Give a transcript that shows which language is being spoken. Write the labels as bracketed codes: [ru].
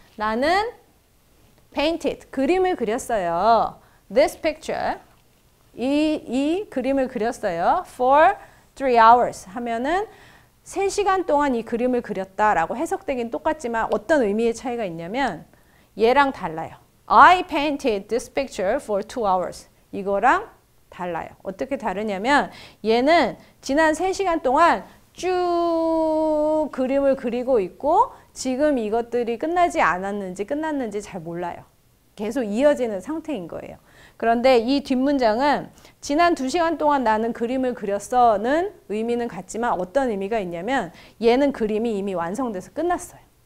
[ko] 나는 [en] painted. [ko] 그림을 그렸어요. [en] This picture. [ko] 이 그림을 그렸어요. [en] For 3 hours [ko] 하면은 3시간 동안 이 그림을 그렸다라고 해석되긴 똑같지만 어떤 의미의 차이가 있냐면 얘랑 달라요. [en] I painted this picture for 2 hours. [ko] 이거랑 달라요. 어떻게 다르냐면 얘는 지난 3시간 동안 쭉 그림을 그리고 있고 지금 이것들이 끝나지 않았는지 끝났는지 잘 몰라요. 계속 이어지는 상태인 거예요. 그런데 이 뒷문장은 지난 두 시간 동안 나는 그림을 그렸어는 의미는 같지만 어떤 의미가 있냐면 얘는 그림이 이미 완성돼서 끝났어요.